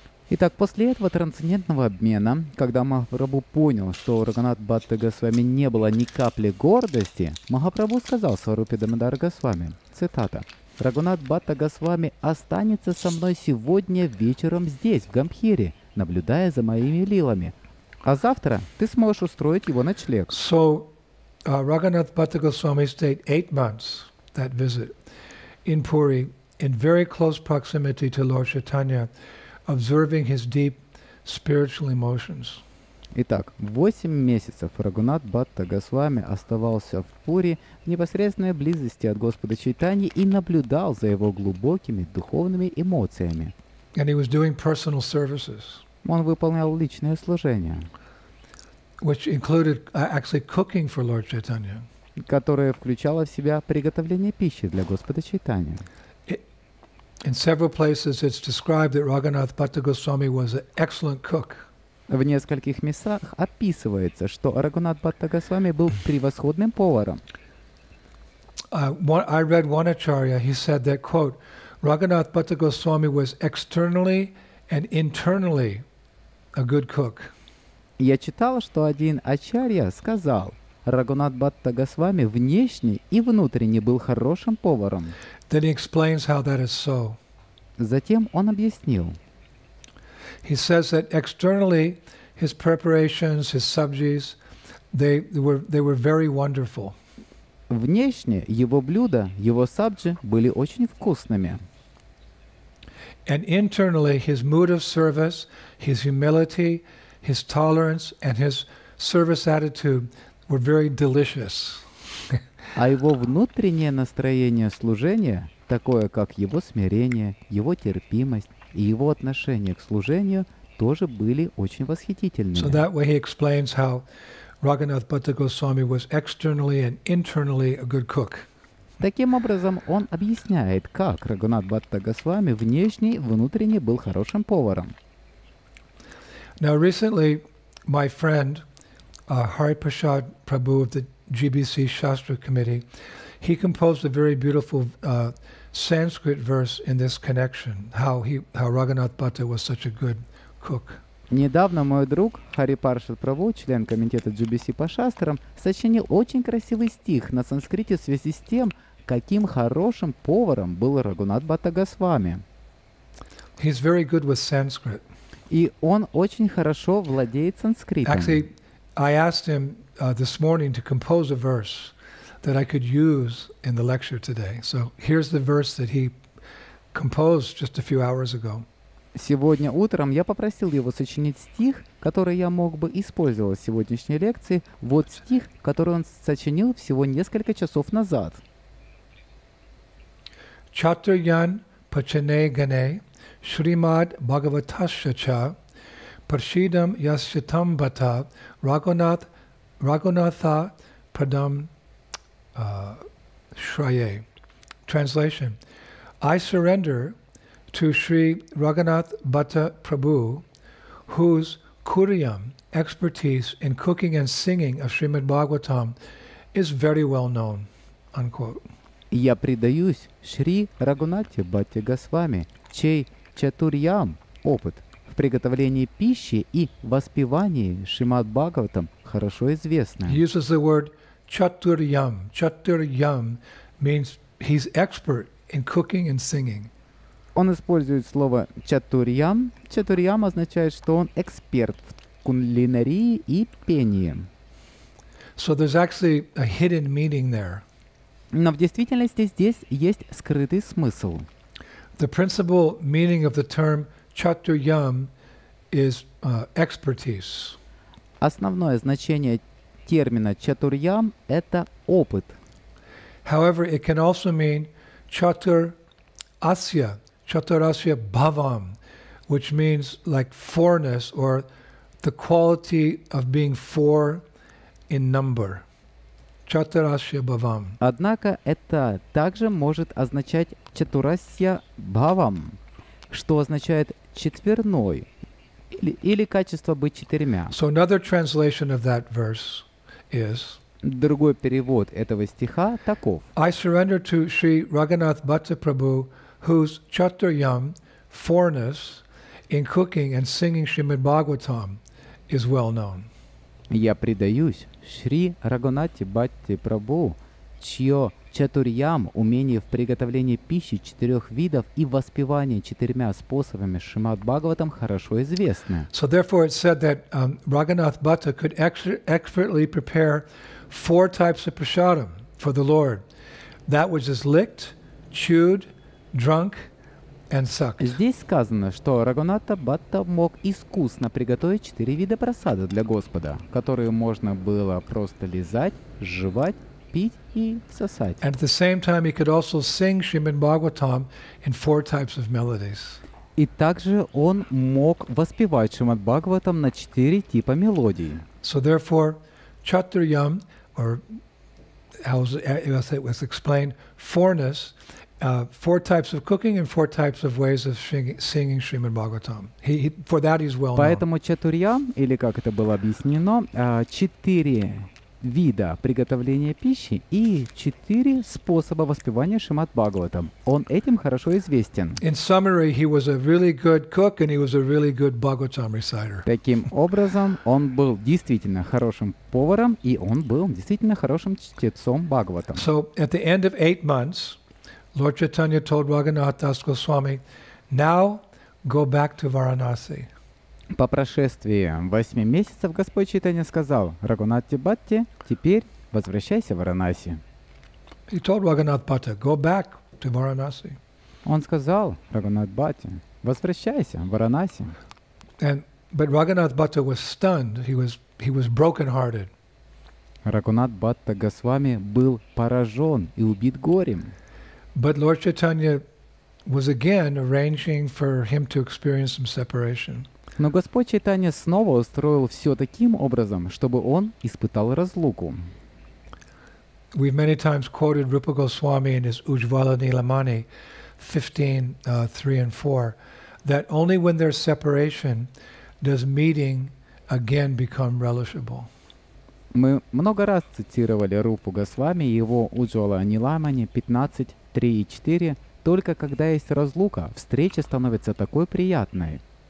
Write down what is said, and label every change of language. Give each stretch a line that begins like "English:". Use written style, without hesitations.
Russian: Итак, после этого трансцендентного обмена, когда Махапрабху понял, что у Рагханат Бхатта Госвами не было ни капли гордости, Махапрабху сказал Сварупе Дамодара Госвами, цитата, «Рагханат Бхатта Госвами останется со мной сегодня вечером здесь, в Гамбхире, наблюдая за моими лилами, а завтра ты сможешь устроить его ночлег».
English: So, Рагханат Бхатта Госвами stayed 8 months, that visit, in Puri, in very close proximity to Lord Chaitanya, observing his deep spiritual emotions.
Russian: Итак, 8 месяцев Рагунат Бхатта Госвами оставался в Пури в непосредственной близости от Господа Чайтаньи и наблюдал за его глубокими духовными эмоциями.
English: And he was doing personal services.
Russian: Он выполнял личное служение,
English: which included actually cooking for Lord Chaitanya.
Russian: Которое включало в себя приготовление пищи для Господа Чайтаньи.
English: In several places it's described that Raghunath Bhatta Goswami was an excellent cook.
Russian: В нескольких местах описывается, что Рагунат Бхатта Госвами был превосходным поваром.
English: I read one acharya, he said that, quote, Raghunath Bhatta Goswami was externally and internally a good cook.
Russian: Я читал, что один ачарья сказал: Рагунат Бхатта Госвами внешне и внутренне был хорошим поваром.
English: Then he explains how that is so.
Russian: Затем он объяснил.
English: He says that externally his preparations, his sabjis, they were very wonderful.
Russian: Внешне его блюда, его сабджи были очень вкусными.
English: And internally his mood of service, his humility, his tolerance and his service attitude were very delicious.
Russian: А его внутреннее настроение служения, такое как его смирение, его терпимость и его отношение к служению, тоже были очень восхитительными.
English: So that way he explains how Raghunath Bhatta Goswami was externally and internally a good cook.
Russian: Таким образом, он объясняет, как Рагунат Бхатта Госвами внешне и внутренне был хорошим поваром.
English: Now recently my friend Hari Prasad Prabhu of the GBC Shastra Committee, he composed a very beautiful Sanskrit verse in this connection, how Raghunath Bhatta was such a good cook.
Russian: Недавно мой друг Хари Паршат Прабху, член комитета GBC по шастрам, сочинил очень красивый стих на санскрите в связи с тем, каким хорошим поваром был Рагунат Бхатта Госвами.
English: He's very good with Sanskrit.
Russian: И он очень хорошо владеет санскритом.
English: Actually, I asked him this morning to compose a verse that I could use in the lecture today. So here's the verse that he composed just a few hours ago.
Russian: сегодня утром я попросил его сочинить стих, который я мог бы использовать в сегодняшней лекции. Вот стих, который он сочинил всего несколько часов назад.
Sanskrit: Чатурян пачане гане шримад бхагаватасяча паршидам ясчитам бата рагунат рагунатха прадам шрае.
English: Translation. I surrender to Sri Raghunath Bhatta Prabhu, whose kuriyam, expertise in cooking and singing of Srimad Bhagavatam, is very well known. Unquote.
Russian: Я предаюсь Шри Рагунате Бхатте Госвами, чей чатурьям, опыт в приготовлении пищи и воспевании Шримад Бхагаватам, хорошо известно.
English: He uses the word чатурьям. Чатурьям means he's expert in cooking and singing.
Russian: Он использует слово чатурьям. Чатурьям означает, что он эксперт в кулинарии и пении.
English: So there's actually a hidden meaning there.
Russian: Но в действительности здесь есть скрытый смысл.
English: The principal meaning of the term чатурьям is expertise.
Russian: Основное значение термина чатурьям – это опыт.
English: However, it can also mean чатурасья. Чатурасья бхавам, which means like fourness or the quality of being four in number.
Sanskrit: Чатурасья бхавам.
Russian: Однако это также может означать чатурасья бхавам, что означает четверной или качество быть четырьмя.
English: So another translation of that verse is.
Russian: Другой перевод этого стиха таков.
English: I surrender to Sri Raghunath Bhatta Prabhu, whose chaturyam, fourness, in cooking and singing Srimad Bhagavatam is well known.
Russian: Я предаюсь Шри Рагунате Бхатте Прабху, чье чатурьям, умение в приготовлении пищи четырех видов и воспевание четырьмя способами Шримад Бхагаватам хорошо известно.
English: So therefore it said that Raghunath Bhatta could expertly prepare four types of prasadam for the Lord. That which is licked, chewed, drunk and sucked.
Russian: Здесь сказано, что Рагунатха Бхатта мог искусно приготовить четыре вида просады для Господа, которые можно было просто лизать, жевать, пить и сосать.
English: And at the same time he could also sing Srimad Bhagavatam in four types of melodies.
Russian: И также он мог воспевать Шримад Бхагаватам на четыре типа мелодий.
English: So therefore чатурьям, or as it was explained, fourness, four types of cooking and four types of ways of singing Srimad Bhagavatam. For that he's well known.
Russian: Поэтому чатурьям, или как это было объяснено, четыре вида приготовления пищи и четыре способа воспевания Шримад Бхагаватам. Он этим хорошо известен.
English: In summary, he was a really good cook and he was a really good Bhagavatam reciter.
Russian: Таким образом, он был действительно хорошим поваром и он был действительно хорошим чтецом Бхагаватам.
English: So, at the end of 8 months, Lord Chaitanya told Raghunath Das Goswami, now go back to Varanasi.
Russian: По прошествии 8 месяцев Господь Чайтанья сказал Рагунатхе Бхатте, теперь возвращайся в Варанаси.
English: He told Raghunath Bhatta, go back to Varanasi.
Russian: Он сказал Рагунатхе Бхатте, возвращайся в Варанаси.
English: But Raghunath Bhatta was stunned. He was broken-hearted.
Russian: Рагунатхе Бхатта Госвами был поражен и убит горем.
English: But Lord Chaitanya was again arranging for him to experience some separation.
Russian: Но Господь Чайтанья снова устроил все таким образом, чтобы он испытал разлуку.
English: We've many times quoted Rupa Goswami in his Ujjvala Nilamani 15:3-4, that only when there's separation does meeting again become relishable.
Russian: Мы много раз цитировали Рупу Госвами и его Ujjvala Nilamani 15:3-4, только когда есть разлука, встреча становится такой приятной.